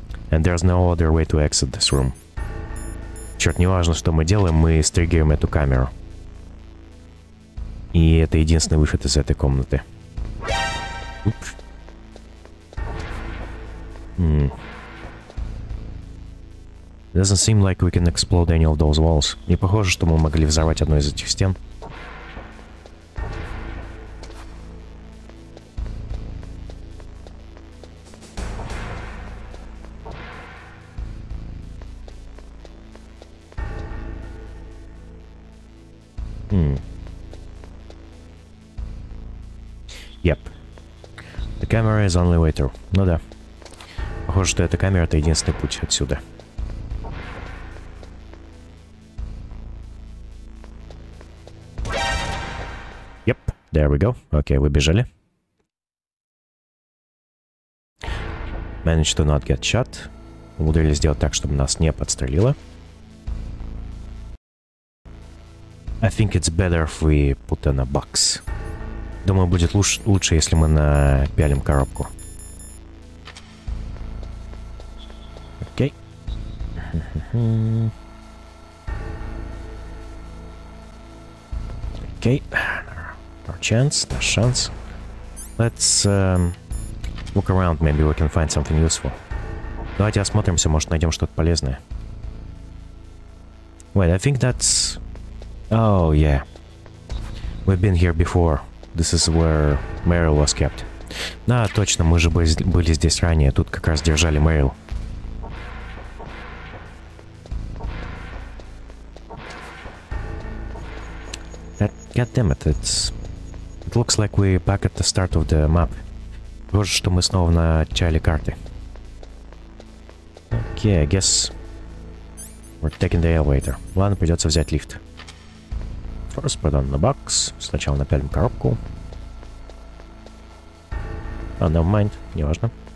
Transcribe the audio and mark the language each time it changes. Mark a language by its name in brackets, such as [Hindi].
[English] And there's no other way to exit this room. [Russian] Черт, не важно, что мы делаем, мы стригируем эту камеру. И это единственный выход из этой комнаты. [English] Doesn't seem like we can explode any of those walls. [Russian] Не похоже, что мы могли взорвать одну из этих стен. [English] Yep. The camera is only way through. [Russian] Ну да. Похоже, что эта камера — это единственный путь отсюда. [English] Yep, there we go. [Russian] Окей, выбежали. [English] Managed to not get shot. [Russian] Умудрились сделать так, чтобы нас не подстрелило. [English] I think it's better if we put in a box. [Russian] Думаю, будет лучше, если мы напялим коробку. Окей. [English] Окей. Our chance, our chance. Let's look around, maybe we can find something useful. [Russian] Давайте осмотримся, может найдем что-то полезное. [English] Wait, I think that's... Oh, yeah. We've been here before. This is where Meryl was kept. [Russian] Да, точно, мы же были здесь ранее. Тут как раз держали Meryl. [English] Goddammit, it's... It looks like we're back at the start of the map. Похоже, что мы снова в начале карты. Okay, I guess... We're taking the elevator. [Russian] Ладно, придется взять лифт. [English] First, put on the box. [Russian] Сначала напялим коробку. [English] Oh, never mind. [Russian] Неважно.